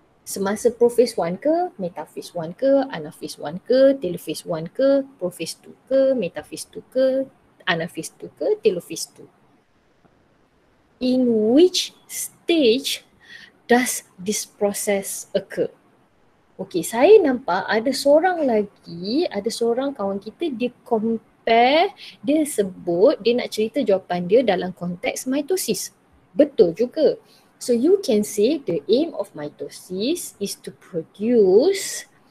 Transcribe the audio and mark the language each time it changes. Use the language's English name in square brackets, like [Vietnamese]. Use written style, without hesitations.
[Malay] Semasa prophase 1 ke, metaphase 1 ke, anaphase 1 ke, telophase 1 ke, prophase 2 ke, metaphase 2 ke, anaphase 2 ke, telophase 2? [English] In which stage does this process occur? [Malay] Okay, saya nampak ada seorang lagi, ada seorang kawan kita, dia compare, dia sebut, dia nak cerita jawapan dia dalam konteks mitosis. Betul juga. [English] So you can say the aim of mitosis is to produce